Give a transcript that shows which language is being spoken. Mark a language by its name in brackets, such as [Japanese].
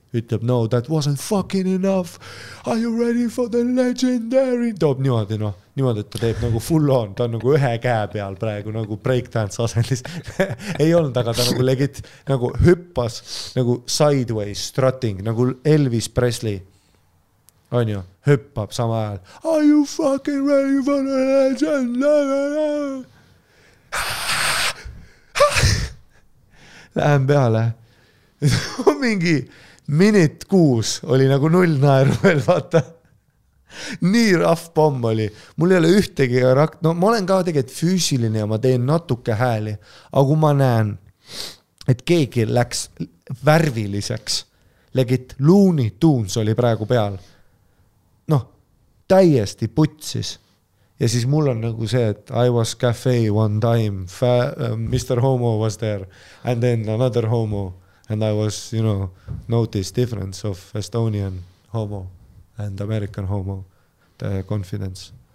[Estonian] Ütleb, [English] no, that wasn't fucking enough. Are you ready for the legendary? [Estonian] Toob niimoodi, no. Niimoodi, et ta teeb nagu full on. Ta on nagu ühe käe peal praegu, nagu breakdance asendis. Ei olnud, aga ta nagu legit, nagu hüppas, nagu [English] sideways strutting, [Estonian] nagu Elvis Presley. On ju, hüppab sama ajal. [English] Are you fucking ready for the legendary? [Estonian] Lähem peale. Mingi Minit 6 oli nagu 0 naeru veel, vaata. Nii rough bomb oli. Mul ei ole ühtegi karakter. No ma olen ka tegelikult füüsiline ja ma teen natuke hääli. Aga ma näen, et keegi läks värviliseks. Legit Looney Tunes oli praegu peal. No täiesti putsis. Ja siis mul on nagu see, et [English] I was cafe one time. Mr. Homo was there. And then another homo. And I was, you know, noticed difference of Estonian homo and American homo, the confidence.